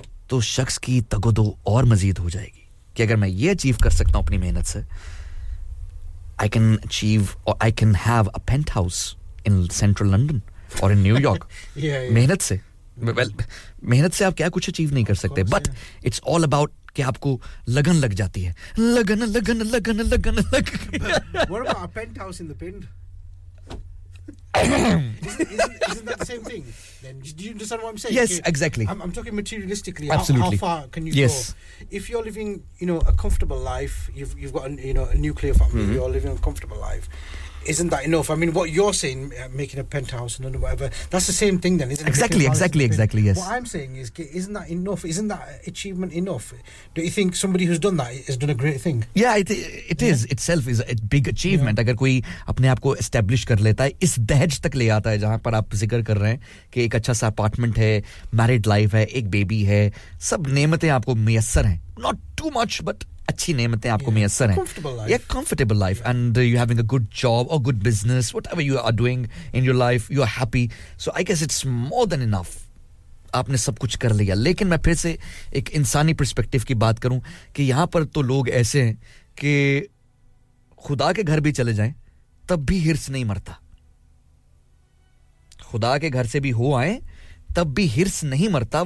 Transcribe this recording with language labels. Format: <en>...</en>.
<hi>तो शख्स की तगोदो और मजीद हो जाएगी कि अगर मैं ये अचीव कर सकता हूं अपनी मेहनत से</hi> <en>I can achieve और I can have a penthouse in central London</en> <hi>और इन न्यूयॉर्क मेहनत से वेल मेहनत से आप क्या कुछ अचीव नहीं कर सकते</hi> <en>but it's all about</en> <hi>कि आपको लगन लग जाती है लगन लगन लगन लगन लगन</hi> <en>What about a penthouse in the पिंड isn't that the same thing? Then, do you understand what I'm saying? Yes, exactly. I'm talking materialistically. Absolutely. How far can you yes. go? If you're living, you know, a comfortable life, you've got, a nuclear family. Mm-hmm. You're living a comfortable life. Isn't that enough? I mean, what you're saying, making a penthouse and whatever, that's the same thing. Then, isn't exactly, it? Exactly, exactly. Yes. What I'm saying is, isn't that enough? Isn't that achievement enough? Do you think somebody who's done that has done a great thing? Yeah, it is itself is a big achievement.</en> <hi>Yeah. अगर कोई अपने आप को establish कर लेता है इस दहेज तक ले आता है जहाँ पर आप जिक्र कर रहे हैं कि एक अच्छा सा apartment है, married life है, एक baby है, सब नेमतें आपको मयसर हैं.</hi> <en>Not too much,</en> <hi>but अच्छी नेमतें आपको मयसर हैं.</hi> <en>Comfortable life. And you're having a good job or good business, whatever you are doing in your life, you are happy. So I guess it's more than enough.</en> <hi>आपने सब कुछ कर लिया. लेकिन मैं फिर से एक इंसानी perspective की बात करूं कि यहाँ पर तो लोग ऐसे हैं कि खुदा के घर भी चले जाएं, तब भी हिर्स नहीं मरता. खुदा के घर से भी हो आएं, तब भी हिर्स नहीं मरता.</hi>